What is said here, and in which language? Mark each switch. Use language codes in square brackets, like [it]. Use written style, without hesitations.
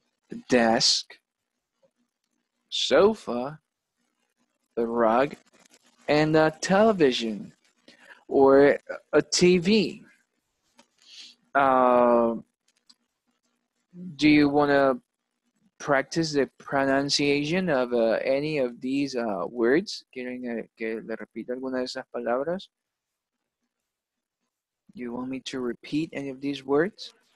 [en] a desk, sofa, a rug, and a television or a TV. Do you want to practice the pronunciation of any of these words? [es] ¿Quieren que le repita alguna de esas palabras? [en] You want me to repeat any of these words?